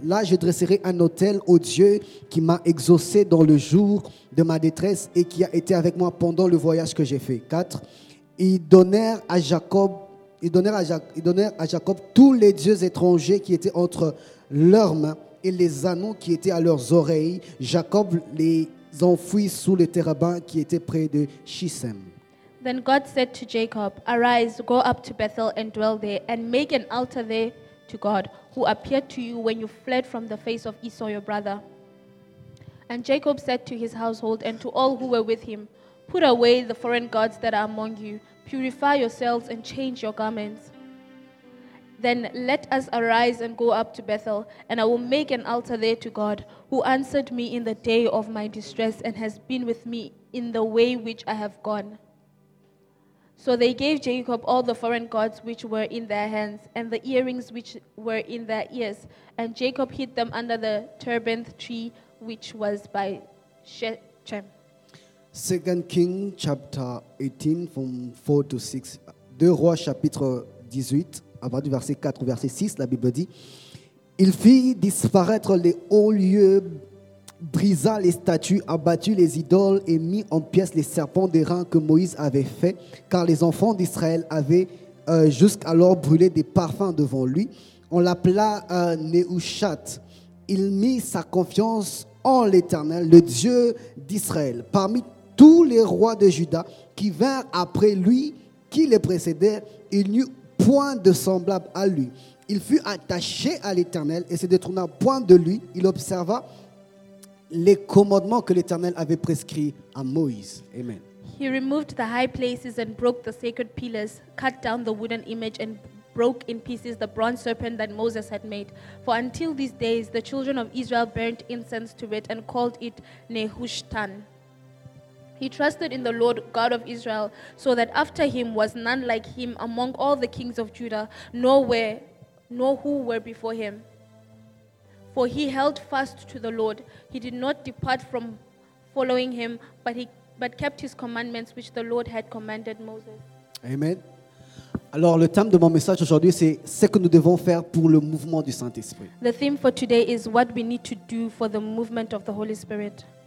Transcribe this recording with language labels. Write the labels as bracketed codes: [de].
[fr] Là, je dresserai un autel au Dieu qui m'a exaucé dans le jour de ma détresse et qui a été avec moi pendant le voyage que j'ai fait. 4, ils donnèrent à Jacob tous les dieux étrangers qui étaient entre leurs mains et les anneaux qui étaient à leurs oreilles. Jacob les enfouit sous le térébin qui était près de Shissem. [en] Then God said to Jacob, arise, go up to Bethel and dwell there, and make an altar there to God, who appeared to you when you fled from the face of Esau, your brother. And Jacob said to his household and to all who were with him, put away the foreign gods that are among you, purify yourselves and change your garments. Then let us arise and go up to Bethel, and I will make an altar there to God, who answered me in the day of my distress and has been with me in the way which I have gone. So they gave Jacob all the foreign gods which were in their hands and the earrings which were in their ears. And Jacob hid them under the terebinth tree which was by Shechem. 2 Kings chapter 18 from 4 to 6. [fr] 2 Rois chapitre 18, à partir du verset 4 au verset 6, la Bible dit, il fit disparaître les hauts lieux, brisa les statues, abattu les idoles et mit en pièces les serpents d'airain que Moïse avait fait, car les enfants d'Israël avaient jusqu'alors brûlé des parfums devant lui. On l'appela Nehushat. Il mit sa confiance en l'Éternel, le Dieu d'Israël. Parmi tous les rois de Juda qui vinrent après lui, qui les précédèrent, il n'y eut point de semblable à lui. Il fut attaché à l'Éternel et se détourna point de lui. Il observa les commandements que l'Éternel avait prescrits à Moïse. Amen. [en] He removed the high places and broke the sacred pillars, cut down the wooden image and broke in pieces the bronze serpent that Moses had made. For until these days, the children of Israel burnt incense to it and called it Nehushtan. He trusted in the Lord God of Israel, so that after him was none like him among all the kings of Judah, nor who were before him. For he held fast to the Lord. He did not depart from following him, but kept his commandments which the Lord had commanded Moses. Amen. [fr] Alors le thème de mon message aujourd'hui, c'est ce que nous devons faire pour le mouvement du Saint-Esprit. [en] The theme for today is what we need to do for the movement of the Holy Spirit.